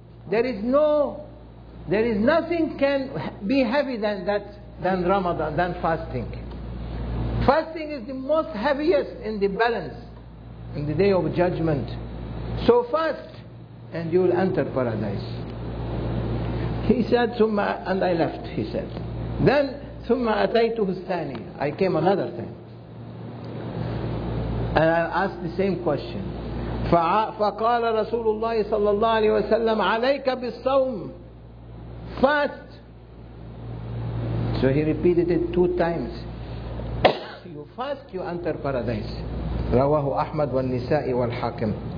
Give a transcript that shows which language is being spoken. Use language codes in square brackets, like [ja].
[en] There is nothing can be heavier than that, than Ramadan, than fasting. Fasting is the most heaviest in the balance in the day of judgment. So fast and you will enter paradise. He said, ثم, and I left, he said. [ar] Then, ثم أتيته الثاني. [en] I came another time. And I asked the same question. [ar] فقال رسول الله صلى الله عليه وسلم عليك بالصوم. [en] Fast. So he repeated it two times. You fast, you enter paradise. [ar] رواه أحمد والنساء والحاكم.